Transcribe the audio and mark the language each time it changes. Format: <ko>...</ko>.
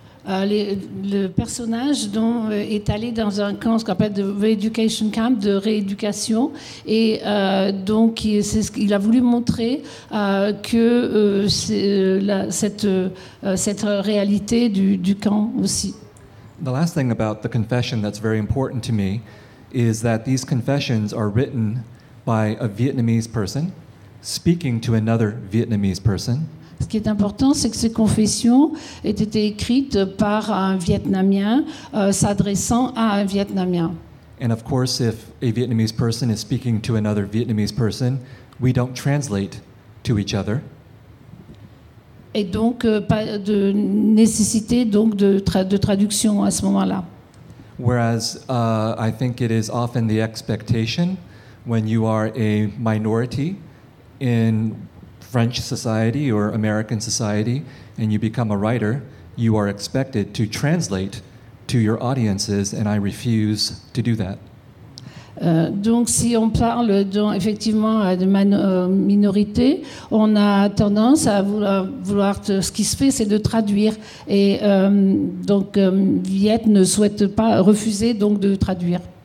<fr>le personnage dont est allé dans un camp, ce qu'on appelle de re-education camp, de rééducation, et donc c'est ce qu'il a voulu montrer, que cette réalité du camp aussi.</fr> <en>The last thing about the confession that's very important to me is that these confessions are written by a Vietnamese person speaking to another Vietnamese person.</en> <fr>Ce qui est important, c'est que ces confessions aient été écrites par un Vietnamien s'adressant à un Vietnamien.</fr> <en>And of course, if a Vietnamese person is speaking to another Vietnamese person, we don't translate to each other.</en> <fr>Et donc, pas de nécessité donc de traduction à ce moment-là.</fr> <en>Whereas, I think it is often the expectation when you are a minority in French society or American society, and you become a writer, you are expected to translate to your audiences, and I refuse to do that.</en> <fr>Donc, si on parle effectivement de minorité, on a tendance à vouloir. Ce qui se fait, c'est de traduire, et donc Viet ne souhaite pas refuser donc de traduire.</fr>